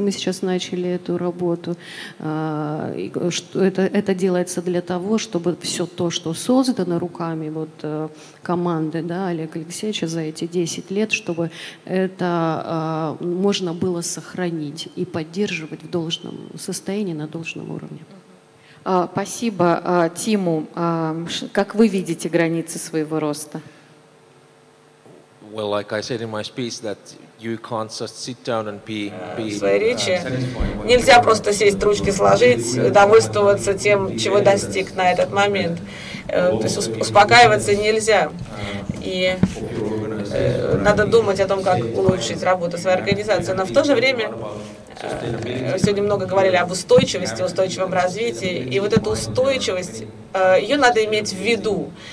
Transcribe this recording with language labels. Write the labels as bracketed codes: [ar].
[ru] И мы сейчас начали эту работу. Это делается для того, чтобы все то, что создано руками вот команды, да, Олега Алексеевича за эти 10 лет, чтобы это можно было сохранить и поддерживать в должном состоянии, на должном уровне. Спасибо, Тиму. Как вы видите границы своего роста? [en] Well, like I said in my speech, that you can't just sit down and be [ru] в своей речи нельзя просто сесть, ручки сложить, довольствоваться тем, чего достиг на этот момент. То есть успокаиваться нельзя. И надо думать о том, как улучшить работу своей организации. Но в то же время мы сегодня много говорили об устойчивости, устойчивом развитии, и вот эту устойчивость, ее надо иметь в виду.